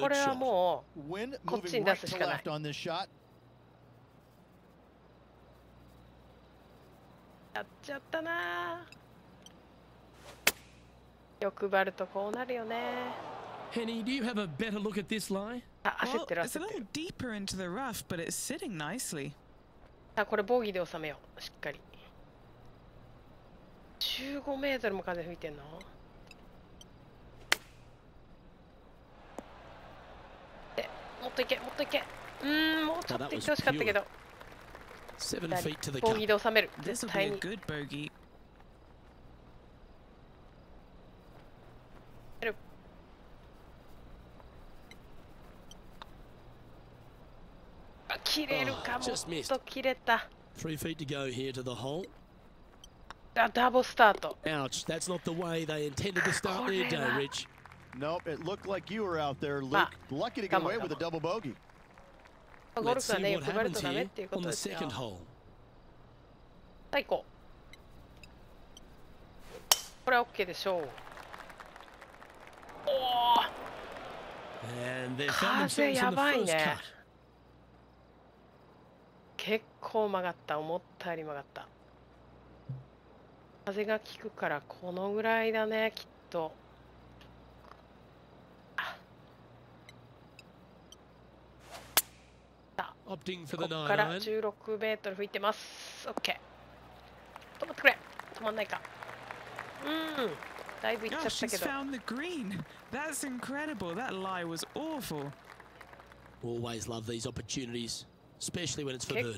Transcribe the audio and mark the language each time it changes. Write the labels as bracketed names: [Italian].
[Japanese] これはもうこっちに出すしかない。やっちゃったな。欲張るとこうなるよね。 [English] Henny, do you have a better look at this lie? Well, it's a little deeper into the rough, but it's sitting nicely. [Japanese] あ、これボギーで収めよう。しっかり。 15メートルも風吹いてんの？え、もっといけ、もっといけ。もうちょっと行ってほしかったけど。ボギーで収める。絶対に。切れるか、もっと切れた。 [English] 3 feet to go here to the hole. [Japanese] ダブスタート。 [English] Ouch, that's not the way they intended to start their day, Rich. Nope, it looked like you were out there, Luke. Lucky to get away with a double bogey. Let's see what happens here on the second hole. [Japanese] 最高。これは OK でしょう。おお。 [English] And they found themselves in the first cut. [Japanese] 結構曲がった。思ったより曲がった。風が効くからこのぐらいだね、きっと。ここから16メートル吹いてます。 OK。 止まってくれ。止まんないか。だいぶ行っちゃったけど。 [English] She's found the green. That's incredible. That lie was awful. Always love these opportunities, especially when it's for birdie.